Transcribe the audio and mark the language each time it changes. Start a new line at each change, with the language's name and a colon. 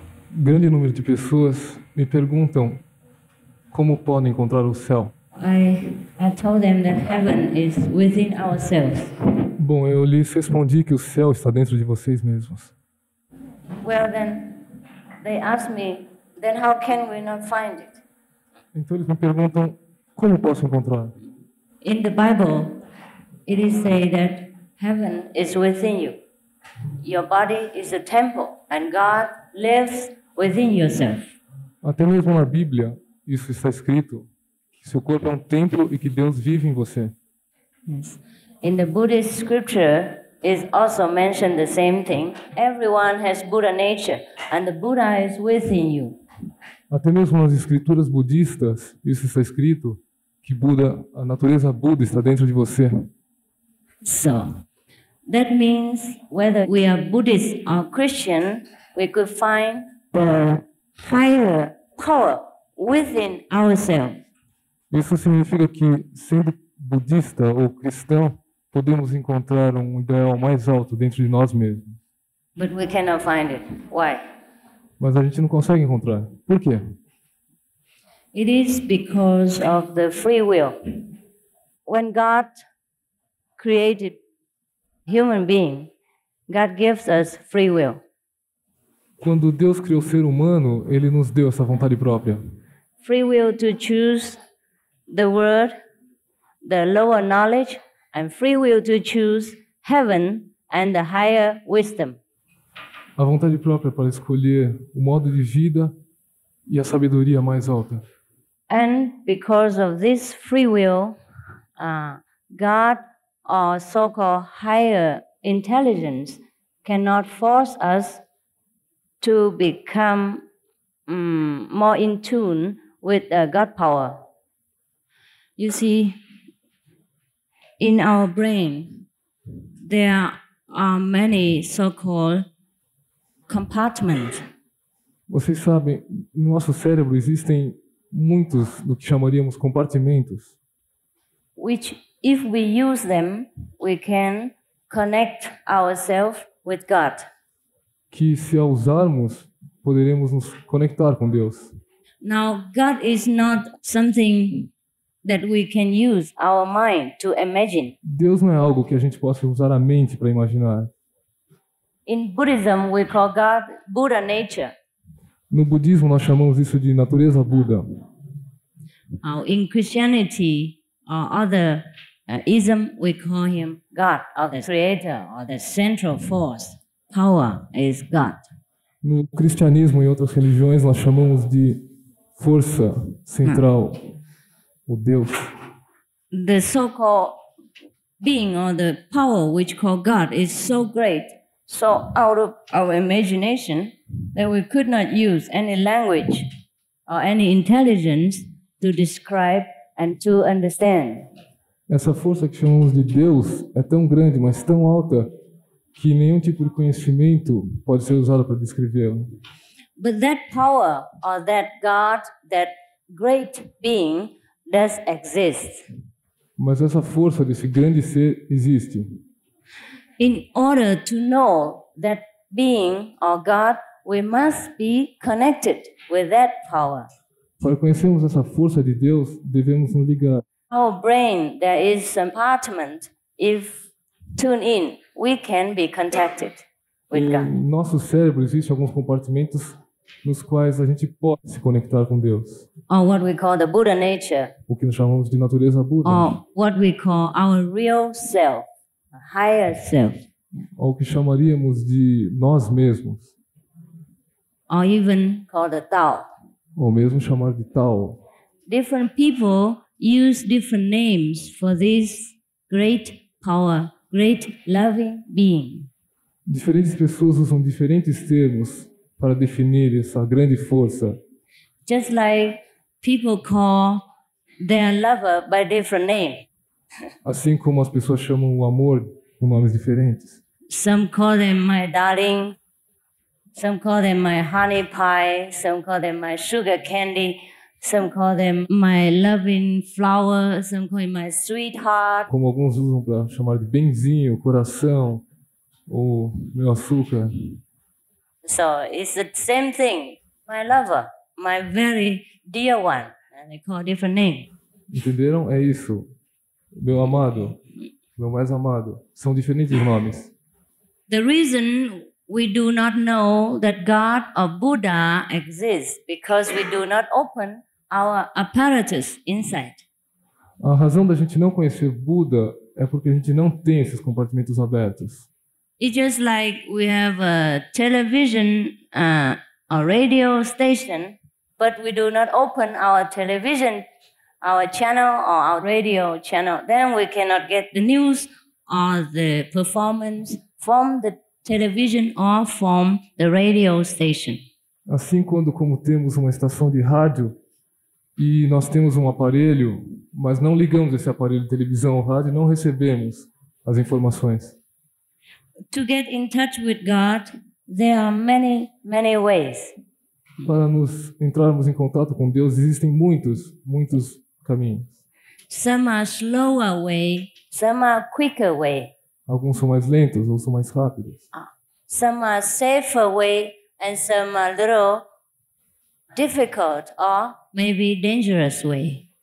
Portuguese: Grande número de pessoas me perguntam como podem encontrar o céu.
English: I told them that heaven is within ourselves.
Portuguese: Bom, eu lhes respondi que o céu está dentro de vocês mesmos.
English: Well, then they ask me, then how can we not find it?
Portuguese: Então eles me perguntam como posso encontrar.
English: In the Bible, it is said that heaven is within you. Your body is a temple, and God lives within yourself.
Portuguese: Até mesmo na Bíblia, isso está escrito, que seu corpo é templo e que Deus vive em você.
English: Yes. In the Buddhist scripture, it also mentioned the same thing. Everyone has Buddha nature, and the Buddha is within you.
Portuguese: Até mesmo nas escrituras budistas, isso está escrito, que Buda, a natureza Buda está dentro de você.
English: So, that means whether we are Buddhist or Christian, we could find the higher power within ourselves.
Portuguese: Isso significa que, sendo budista ou cristão, podemos encontrar ideal mais alto dentro de nós mesmos.
English: But we cannot find it. Why?
Portuguese: Mas a gente não consegue encontrar. Por quê?
English: It is because of the free will. When God created human being, God gives us free will.
Portuguese: Quando Deus criou o ser humano, ele nos deu essa vontade própria.
English: Free will to choose the world, the lower knowledge, and free will to choose heaven and the higher wisdom.
Portuguese: A vontade própria para escolher o modo de vida e a sabedoria mais alta.
English: And because of this free will, God or so-called higher intelligence cannot force us to become more in tune with God power. You see, in our brain, there are many so-called compartments.
Portuguese: Vocês sabem, no nosso cérebro existem muitos do que chamaríamos compartimentos.
English: Which, if we use them, we can connect ourselves with God.
Portuguese: Que se a usarmos, poderemos nos conectar com Deus.
English: Now, God is not something that we can use our mind to imagine.
Portuguese: Deus não é algo que a gente possa usar a mente para imaginar.
English: In Buddhism, we call God Buddha nature.
Portuguese: No budismo, nós chamamos isso de natureza Buda.
English: Now, in Christianity, or other ism, we call him God, or the creator, or the central force. power is God.
Portuguese: No cristianismo e outras religiões, nós chamamos de força central, o Deus.
English: The so-called being or the power which called God is so great, so out of our imagination, that we could not use any language or any intelligence to describe and to understand.
Portuguese: Essa força que chamamos de Deus é tão grande, mas tão alta, que nenhum tipo de conhecimento pode ser usado para descrevê-la.
English: But that power or that God, that great being, does exist.
Portuguese: Mas essa força desse grande ser existe.
English: In order to know that being or God, we must be connected with that power.
Portuguese: Para conhecermos essa força de Deus, devemos nos ligar.
English: Our brain, there is an apartment. If tune in, we can be contacted with God.
Portuguese: No nosso cérebro existe alguns compartimentos nos quais a gente pode se conectar com Deus.
English: Or what we call the Buddha nature.
Portuguese: O que nós chamamos de natureza Buda.
English: Or what we call our real self, a higher self.
Portuguese: Ou o que chamaríamos de nós mesmos.
English: Or even called a Tao.
Portuguese: Ou mesmo chamar de Tao.
English: Different people use different names for this great power, great loving being.
Portuguese: Diferentes pessoas usam diferentes termos para definir essa grande força.
English: Just like people call their lover by different name.
Portuguese: Assim como as pessoas chamam o amor com nomes diferentes.
English: Some call them my darling. Some call them my honey pie. Some call them my sugar candy. Some call them my loving flower. Some call them my sweetheart.
Portuguese: Como alguns usam para chamar de benzinho, coração, ou meu açúcar.
English: So it's the same thing, my lover, my very dear one, and they call a different name.
Portuguese: Entenderam? É isso. Meu amado, meu mais amado, são diferentes nomes.
English: The reason we do not know that God or Buddha exists because we do not open our apparatus inside.
Portuguese: A razão da gente não conhecer Buda é porque a gente não tem esses compartimentos abertos.
English: It's just like we have a television, a radio station, but we do not open our television, our channel, or our radio channel. Then we cannot get the news or the performance from the television or from the radio station.
Portuguese: Assim como temos uma estação de rádio e nós temos aparelho, mas não ligamos esse aparelho de televisão ou rádio, não recebemos as informações.
English: To get in touch with God, there are many, many ways.
Portuguese: Para nos entrarmos em contato com Deus, existem muitos, muitos caminhos.
English: Some are slower way. Some are quicker way.
Portuguese: Alguns são mais lentos, outros são mais rápidos.
English: Some are safer way and some are a little difficult or maybe dangerous way.